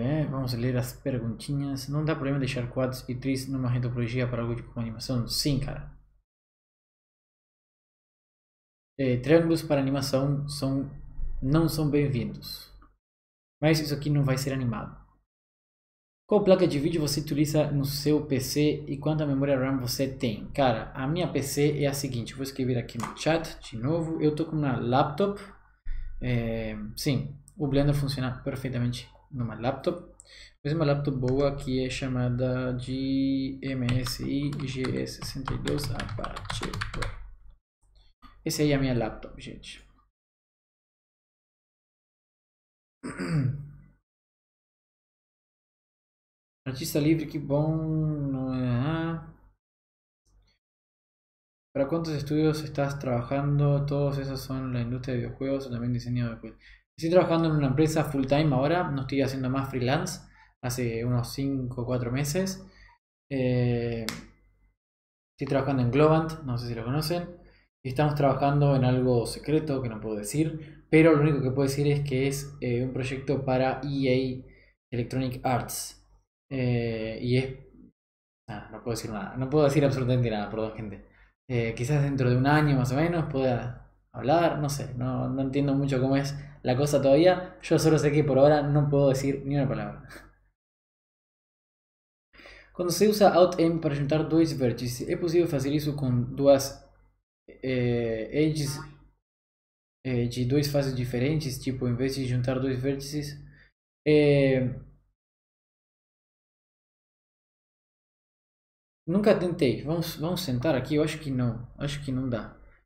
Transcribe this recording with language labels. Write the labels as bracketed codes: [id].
[es] Vamos a leer las preguntinhas. ¿No da problema dejar quads y trees en una retopología para algo como animación? Sí, cara. Triángulos para animación son, no son bienvenidos. [pt] Mas isso aqui não vai ser animado. Qual placa de vídeo você utiliza no seu PC e quanta memória RAM você tem? Cara, a minha PC é a seguinte. Vou escrever aqui no chat de novo. Eu tô com uma laptop. Sim, o Blender funciona perfeitamente numa laptop. Mas é uma laptop boa que é chamada de MSI GE62 Apache Pro. Essa aí é a minha laptop, gente. Artista livre, que bom. Não é, ah. Para quantos estúdios estás trabalhando? [es] Todos esos son la industria de videojuegos o también diseño de juegos. Estoy trabajando en una empresa full time ahora, no estoy haciendo más freelance, hace unos 5 o 4 meses. Estoy trabajando en Globant, no sé si lo conocen. Estamos trabajando en algo secreto que no puedo decir. Pero lo único que puedo decir es que es un proyecto para EA Electronic Arts. Y es... Nah, no puedo decir nada. No puedo decir absolutamente nada, perdón, gente. Quizás dentro de un año más o menos pueda hablar. No sé, no entiendo mucho cómo es la cosa todavía. Yo solo sé que por ahora no puedo decir ni una palabra. Cuando se usa Alt-M para juntar dos vértices, ¿es posible hacer eso con dos edges? [pt] De duas fases diferentes, tipo, em vez de juntar dois vértices. É... Nunca tentei. Vamos sentar aqui? Eu acho que não. Acho que não dá.